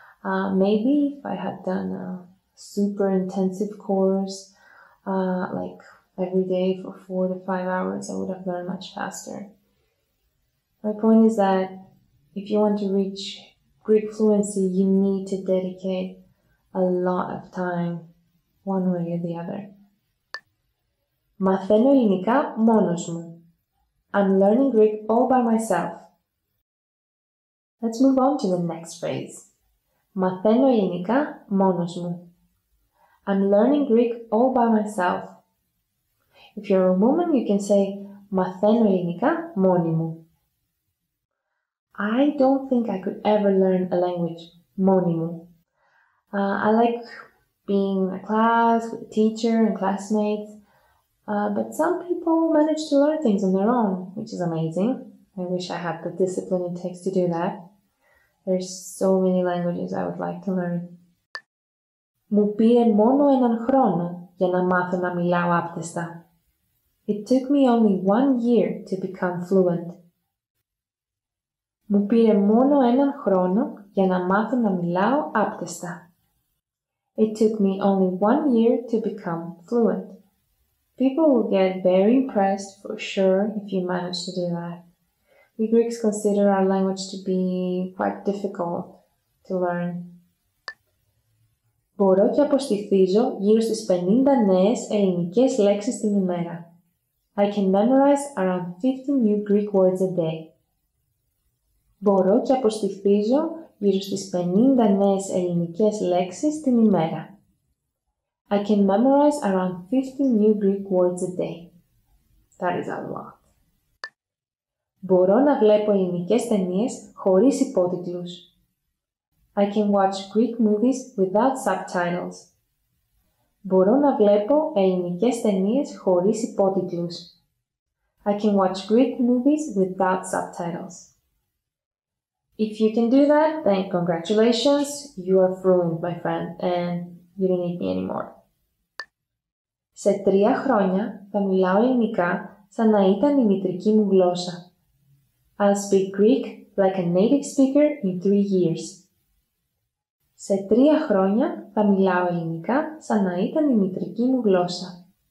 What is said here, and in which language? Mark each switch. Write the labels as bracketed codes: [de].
[en] Maybe if I had done a super intensive course, like every day for 4 to 5 hours, I would have learned much faster. My point is that if you want to reach Greek fluency, you need to dedicate a lot of time one way or the other. [el] Μαθαίνω ελληνικά μόνος μου. [en] I'm learning Greek all by myself. Let's move on to the next phrase. [el] Μαθαίνω ελληνικά μόνος μου. [en] I'm learning Greek all by myself. If you're a woman, you can say [el] Μαθαίνω ελληνικά μόνη μου. [en] I don't think I could ever learn a language [el] μόνη μου. [en] I like being in a class with a teacher and classmates. But some people manage to learn things on their own, which is amazing. I wish I had the discipline it takes to do that. There's so many languages I would like to learn. [el] Μου πήρε μόνο έναν χρόνο για να μάθω να μιλάω άπτεστα. [en] It took me only 1 year to become fluent. [el] Μου πήρε μόνο έναν χρόνο για να μάθω να μιλάω άπτεστα. [en] It took me only 1 year to become fluent. People will get very impressed for sure if you manage to do that. We Greeks consider our language to be quite difficult to learn. [el] Μπορώ και αποστηθίζω γύρω στις 50 νέες ελληνικές λέξεις την ημέρα. [en] I can memorize around 50 new Greek words a day. [el] Μπορώ και αποστηθίζω γύρω στις 50 νέες ελληνικές λέξεις την ημέρα. [en] I can memorize around 50 new Greek words a day. That is a lot. [el] Μπορώ να βλέπω ελληνικές ταινίες χωρίς υπότιτλους. [en] I can watch Greek movies without subtitles. [el] Μπορώ να βλέπω ελληνικές ταινίες χωρίς υπότιτλους. [en] I can watch Greek movies without subtitles. If you can do that, then congratulations, you are fluent, my friend, and you don't need me anymore. [el] Σε 3 χρόνια θα μιλάω ελληνικά σαν να ήταν η μητρική μου γλώσσα. [en] I'll speak Greek like a native speaker in 3 years. [el] Σε 3 χρόνια θα μιλάω ελληνικά σαν να ήταν η μητρική μου γλώσσα.